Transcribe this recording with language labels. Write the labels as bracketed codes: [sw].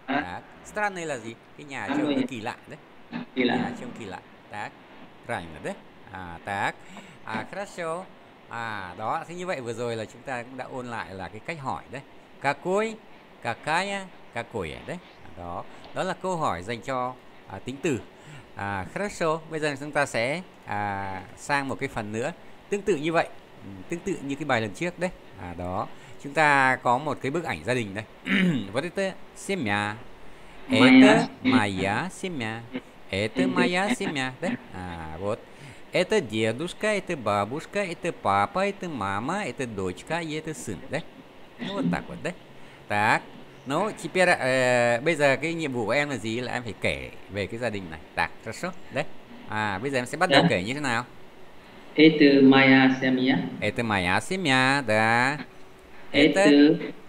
[ru] Так, странные [vi] là gì? Cái nhà trông nó [ru] Странное. [vi] kỳ lạ, đấy. Kỳ Cái nhà lạ. trông kỳ lạ. [ru] Так, правильно, да? Так. Хорошо. [vi] Đó, thế như vậy vừa rồi là chúng ta cũng đã ôn lại là cái cách hỏi đấy. [ru] Какой, какая, какое đấy. [vi] Đó, đó là câu hỏi dành cho tính từ. [ru] Хорошо, [vi] bây giờ chúng ta sẽ sang một cái phần nữa. Tương tự như vậy, tương tự như cái bài lần trước đấy. Đó, chúng ta có một cái bức ảnh gia đình đây. [ru] Это семья. Это моя семья. Это моя семья đấy. Вот. Это дедушка, это бабушка, это папа, это мама, это дочка и это сын, да? Ну, вот так вот, да? Так, ну, теперь, [vi] bây giờ cái nhiệm vụ của em là gì? Là em phải kể về cái gia đình này. [ru] Так, хорошо, да? [vi] Bây giờ em sẽ bắt đầu kể như thế nào? [ru] Это моя семья. Это моя семья, да? Это